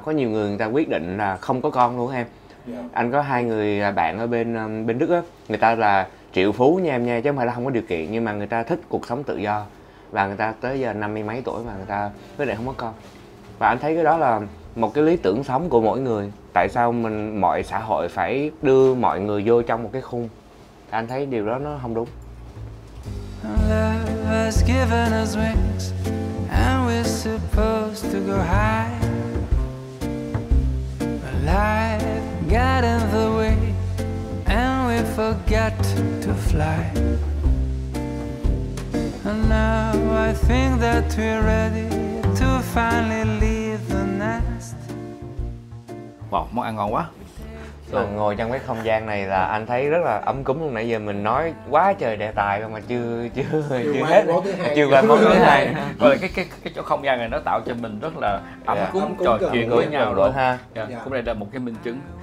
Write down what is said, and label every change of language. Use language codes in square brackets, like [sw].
[vi] Có nhiều người người ta quyết định là không có con luôn em. Yeah. Anh có hai người bạn ở bên bên Đức á, người ta là triệu phú nha em nha, chứ không phải là không có điều kiện, nhưng mà người ta thích cuộc sống tự do. Và người ta tới giờ năm mươi mấy tuổi mà người ta quyết định không có con. Và anh thấy cái đó là một cái lý tưởng sống của mỗi người. Tại sao mình mọi xã hội phải đưa mọi người vô trong một cái khung? Anh thấy điều đó nó không đúng. [en] Love has given us wings and we're supposed to go high. But life got in the way and we forgot to fly. And now I think that we're ready to finally leave the nest. [vi] Wow, món ăn ngon quá. Rồi ngồi trong cái không gian này là anh thấy rất là ấm cúng luôn. Nãy giờ mình nói quá trời đề tài mà chưa hết, chưa qua món thứ hai. Rồi cái chỗ không gian này nó tạo cho mình rất là ấm cúng, trò chuyện với nhau rồi ha. Cũng đây là một cái minh chứng.